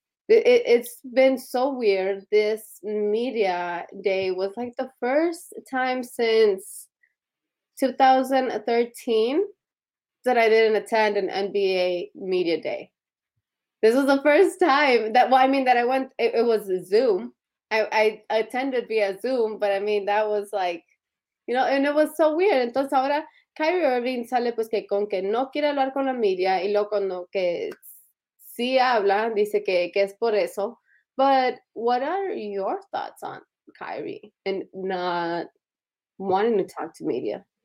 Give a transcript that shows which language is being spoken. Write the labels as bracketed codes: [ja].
[en] It's been so weird. This media day was like the first time since 2013 that I didn't attend an NBA media day. This was the first time that I went, it was Zoom. I attended via Zoom, but I mean, that was like, you know, and it was so weird. [es] Entonces ahora Kyrie Irving sale pues que con que no quiere hablar con la media y luego con lo que sí habla, dice que es por eso. [en] But what are your thoughts on Kyrie and not wanting to talk to media?